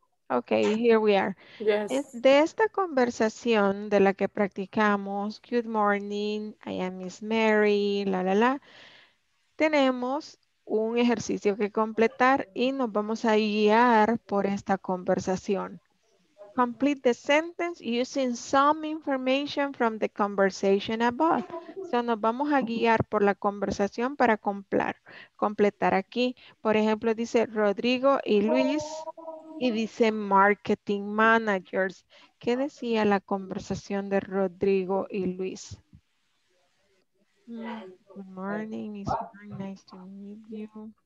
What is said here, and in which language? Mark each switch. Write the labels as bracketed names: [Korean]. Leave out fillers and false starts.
[English] Okay, here we are. Yes. [Spanish] De esta conversación de la que practicamos, [English] good morning, I am Miss Mary, [Spanish] la la la, tenemos un ejercicio que completar y nos vamos a guiar por esta conversación. [English] Complete the sentence using some information from the conversation above. [Spanish] So nos vamos a guiar por la conversación para completar aquí. Por ejemplo, dice Rodrigo y Luis y dice marketing managers. ¿Qué decía la conversación de Rodrigo y Luis? [English] Good morning, it's very nice to meet you.